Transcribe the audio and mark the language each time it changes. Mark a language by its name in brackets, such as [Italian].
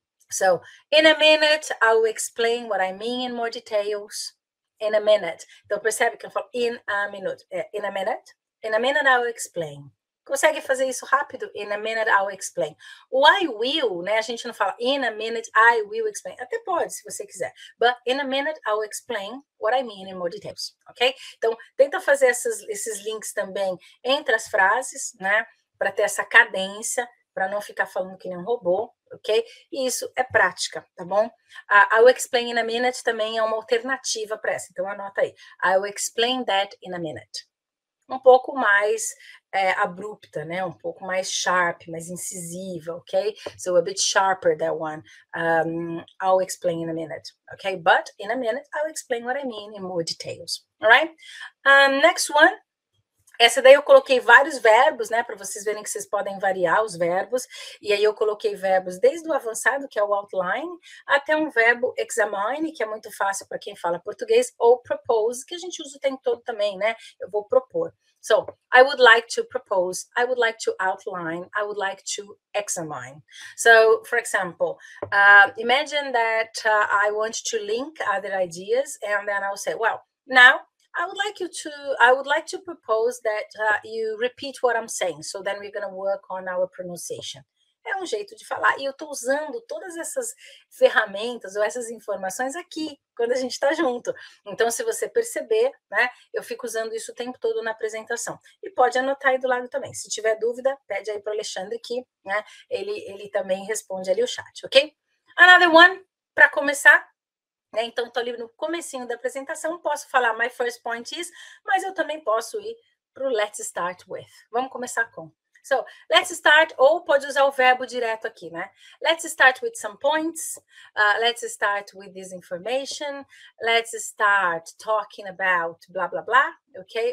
[English] So, in a minute, I will explain what I mean in more details. In a minute. [Portuguese] Então, percebe que eu falo [English] in a minute. In a minute? In a minute, I will explain. [Portuguese] Consegue fazer isso rápido? [English] In a minute, I will explain. O I will, [Portuguese] né, a gente não fala [English] in a minute, I will explain. [Portuguese] Até pode, se você quiser. [English] But in a minute, I will explain what I mean in more details, ok? [Portuguese] Então, tenta fazer esses links também entre as frases, né, para ter essa cadência, para não ficar falando que nem um robô, ok? E isso é prática, tá bom? [English] I will explain in a minute [Portuguese] também é uma alternativa para essa. Então, anota aí. [English] I will explain that in a minute. [Portuguese] Um pouco mais abrupta, né? Um pouco mais sharp, mais incisiva, ok? [English] So, a bit sharper, that one. I'll explain in a minute, ok? But, in a minute, I'll explain what I mean in more details, alright? Next one. [Portuguese] Essa daí eu coloquei vários verbos, né? Para vocês verem que vocês podem variar os verbos. E aí eu coloquei verbos desde o avançado, que é o outline, até um verbo examine, que é muito fácil para quem fala português, ou propose, que a gente usa o tempo todo também, né? Eu vou propor. [English] So, I would like to propose, I would like to outline, I would like to examine. So, for example, imagine that I want to link other ideas, and then I'll say, well, now, I would like to propose that you repeat what I'm saying, so then we're going to work on our pronunciation. [Portuguese] É um jeito de falar, e eu estou usando todas essas ferramentas ou essas informações aqui, quando a gente está junto. Então, se você perceber, né, eu fico usando isso o tempo todo na apresentação. E pode anotar aí do lado também. Se tiver dúvida, pede aí para o Alexandre aqui, né, ele também responde ali o chat, ok? [English] Another one, [Portuguese] para começar. Então, estou ali no comecinho da apresentação, posso falar [English] my first point is, [Portuguese] mas eu também posso ir para o [English] let's start with. [Portuguese] Vamos começar com. [English] So, let's start, [Portuguese] ou pode usar o verbo direto aqui, né? [English] Let's start with some points, let's start with this information, let's start talking about blah, blah, blah, ok?